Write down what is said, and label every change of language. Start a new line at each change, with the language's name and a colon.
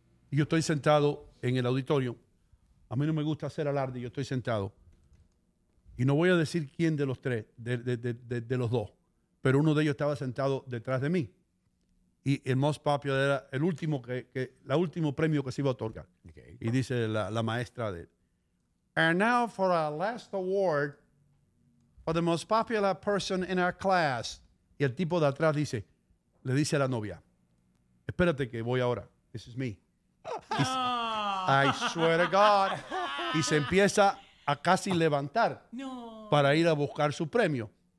Spanish: Y yo estoy sentado en el auditorio. A mí no me gusta hacer alarde, yo estoy sentado. Y no voy a decir quién de los tres, de los dos, pero uno de ellos estaba sentado detrás de mí. Y el Most Popular era el último, la último premio que se iba a otorgar.
English: Okay.
Spanish: Y dice la maestra de él.
English: And now for our last award for the most popular person in our class.
Spanish: Y el tipo de atrás dice, le dice a la novia, espérate que voy ahora.
English: This is me. I swear to God.
Spanish: Y se empieza a casi levantar para ir a buscar su premio.